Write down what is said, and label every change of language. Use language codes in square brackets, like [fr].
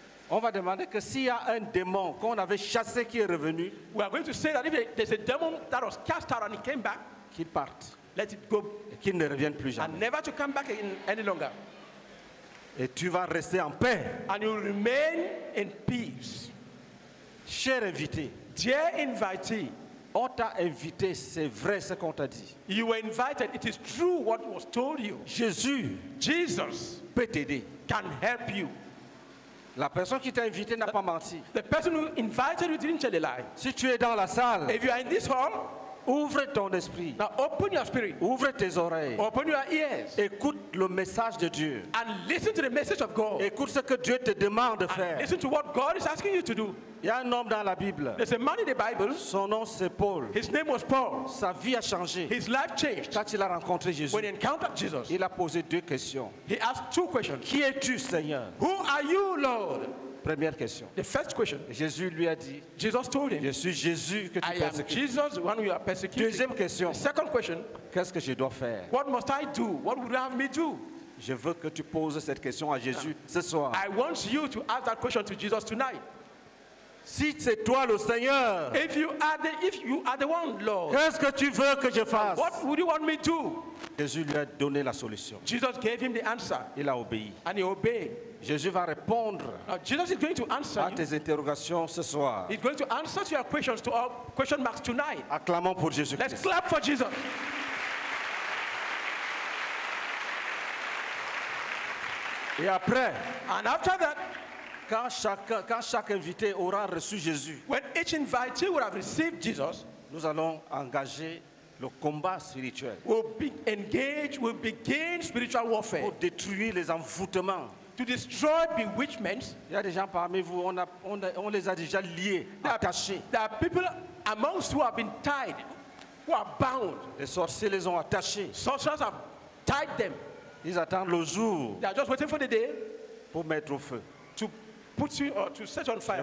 [fr] on va demander que s'il y a un démon qu'on avait chassé qui est revenu, [en] we are going to say that if there's a demon that was cast out and he came back, [fr] qu'il parte, [en] let it go, [fr] et qu'il ne revienne plus jamais, [en] and never to come back in any longer. [fr] Et tu vas rester en paix. [en] And you remain in peace. [fr] Cher invité, [en] dear invitee, [fr] on t'a invité, c'est vrai ce qu'on t'a dit. [en] You were invited, it is true what was told you. [fr] Jésus, [en] Jesus, [fr] peut t'aider, [en] can help you. [fr] La personne qui t'a invité n'a pas menti. [en] The person who invited you didn't tell a lie. [fr] Si tu es dans la salle, [en] if you are in this hall, [fr] ouvre ton esprit. [en] Now open your spirit. [fr] Ouvre tes oreilles. [en] Open your ears. [fr] Écoute le message de Dieu. [en] And listen to the message of God. [fr] Écoute ce que Dieu te demande de faire. [en] Listen to what God is asking you to do. [fr] Il y a un homme dans la Bible. [en] There's a man in the Bible. [fr] Son nom c'est Paul. [en] His name was Paul. [fr] Sa vie a changé. [en] His life changed. [fr] Quand il a rencontré Jésus. [en] When he encountered Jesus. [fr] Il a posé deux questions. [en] He asked two questions. [fr] Qui es-tu, Seigneur? [en] Who are you, Lord? [fr] Première question. [en] The first question. [fr] Jésus lui a dit. [en] Jesus told him. [fr] Je suis Jésus que tu persécutes. [en] I am Jesus, the one you are persecuting. [fr] Deuxième question. [en] The second question. [fr] Qu'est-ce que je dois faire? [en] What must I do? What would you have me do? [fr] Je veux que tu poses cette question à Jésus ce soir. [en] I want you to ask that question to Jesus tonight. [fr] Si c'est toi le Seigneur. [en] If you are the one, Lord. [fr] Qu'est-ce que tu veux que je fasse? [en] What would you want me to? [fr] Jésus lui a donné la solution. [en] Jesus gave him the answer. [fr] Il a obéi. [en] And he obeyed. [fr] Jésus va répondre. [en] Now, Jesus is going to answer [fr] à tes interrogations ce soir. [en] He's going to answer to your questions, to our question marks tonight. [fr] Acclamons pour Jésus-Christ. [en] Let's clap for Jesus. [fr] Et après, [en] and after that, [fr] quand chaque invité aura reçu Jésus, [en] when each invitee will have received Jesus, [fr] nous allons engager le combat spirituel. [en] We'll begin spiritual warfare. [fr] Pour détruire les envoûtements. [en] To destroy bewitchments. [fr] Il y a des gens parmi vous, on les a déjà liés, attachés. [en] There are people amongst who have been tied, who are bound. [fr] Les sorciers les ont attachés. [en] Sorcerers have tied them. [fr] Ils attendent le jour. [en] They are just waiting for the day. [fr] Pour mettre au feu. [en] To put you or to set on fire.